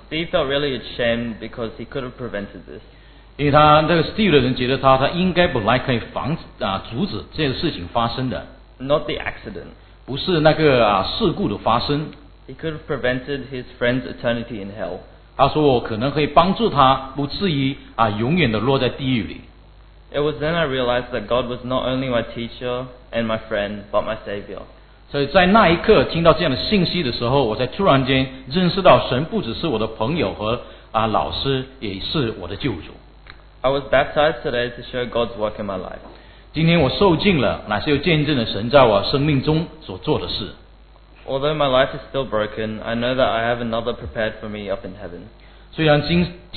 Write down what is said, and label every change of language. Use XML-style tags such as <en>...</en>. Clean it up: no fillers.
<en>Steve felt really ashamed because he could have prevented this.</en> <zh>因为他那个 Steve 的人觉得他应该本来可以阻止这件事情发生的。</zh> <en>Not the accident.</en> <zh>不是那个事故的发生。</zh> <en>He could have prevented his friend's eternity in hell.</en> <zh>他说我可能可以帮助他不至于永远的落在地狱里。</zh> <en>It was then I realized that God was not only my teacher and my friend, but my savior.</en> <zh>所以在那一刻听到这样的信息的时候，我才突然间认识到神不只是我的朋友和老师，也是我的救主。</zh> <en>I was baptized today to show God's work in my life.</en> <zh>今天我受浸了，乃是又见证了神在我生命中所做的事。</zh> <en>Although my life is still broken, I know that I have another prepared for me up in heaven.</en>